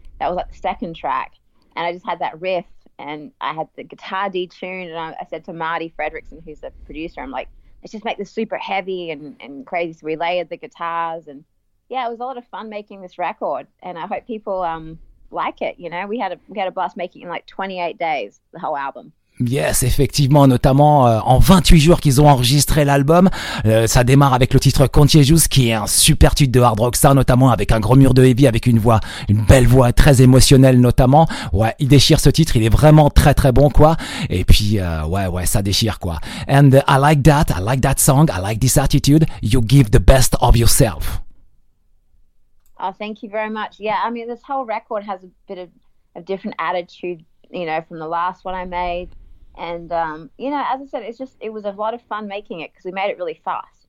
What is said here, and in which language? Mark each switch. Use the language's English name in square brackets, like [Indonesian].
[English] That was like the second track. And I just had that riff and I had the guitar detuned. And I said to Marty Fredrickson, who's the producer, I'm like, let's just make this super heavy and crazy. So we layered the guitars. And yeah, it was a lot of fun making this record. And I hope people like it. You know, we had a blast making it in like 28 days, the whole album. [French] Yes, effectivement, notamment en 28 jours qu'ils ont enregistré l'album. Ça démarre avec le titre Contagious, qui est un super titre de hard rock star, notamment avec un gros mur de heavy, avec une voix, une belle voix, très émotionnelle notamment. Ouais, il déchire ce titre, il est vraiment très très bon quoi. Et puis, ouais, ça déchire quoi. [English] And I like that song, I like this attitude. You give the best of yourself. Oh, thank you very much. Yeah, I mean, this whole record has a bit of a different attitude, you know, from the last one I made. And, you know, as I said, it was a lot of fun making it because we made it really fast.